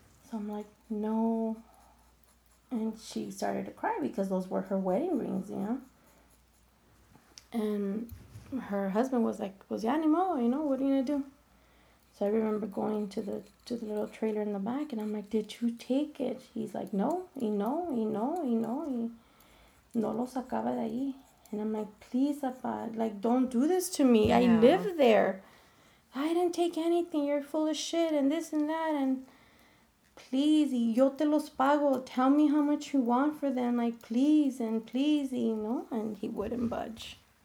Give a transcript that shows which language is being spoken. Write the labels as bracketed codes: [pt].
[en] So I'm like, no. And she started to cry because those were her wedding rings, you know. And her husband was like, [es] pues ya ni modo, [en] you know, what are you going to do? So I remember going to the little trailer in the back, and I'm like, did you take it? He's like, [es] no, y no, y no, y no, y no lo sacaba de ahí. [en] And I'm like, please, Apa, like, don't do this to me. Yeah. I live there. I didn't take anything. You're full of shit and this and that. And please, [es] y yo te los pago. [en] Tell me how much you want for them. Like, please, and please, [es] y no. [en] And he wouldn't budge.